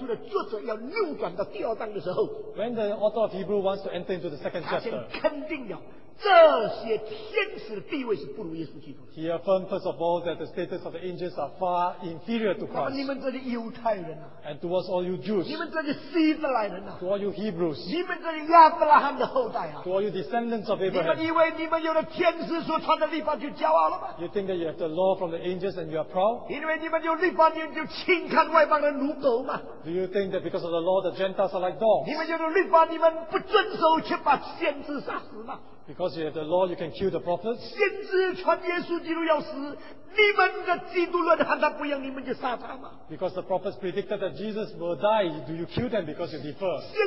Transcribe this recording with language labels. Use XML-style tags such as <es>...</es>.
<zh>当希伯来书的作者要扭转到第二章的时候,</zh> <en>when the author of Hebrew wants to enter into the second chapter,</en> <zh>他先肯定了, 这些天使的地位是不如耶稣基督的。</zh> <en>He affirmed first of all that the status of the angels are far inferior to Christ.</en> <zh>你们这些犹太人啊,</zh> <en>and towards all you Jews,</en> <zh>你们这些希伯来人啊,</zh> <en>to all you Hebrews,</en> <zh>你们这些亚伯拉罕的后代啊,</zh> <en>to all you descendants of Abraham,</en> <zh>你们以为你们有了天使所传的律法就骄傲了吗?</zh> <en>You think that you have the law from the angels and you are proud?</en> <zh>因为你们有律法你们就轻看外邦的奴仆吗?</zh> <en>Do you think that because of the law the Gentiles are like dogs?</en> <zh>你们有了律法你们不遵守却把先知杀死吗?</zh> <en>Because you have the law, you can kill the prophets.</en> <zh>先知传耶稣基督要死，你们的基督论和他不一样，你们就杀他嘛。</zh> <en>Because the prophets predicted that Jesus will die, do you kill them because you defer?</en>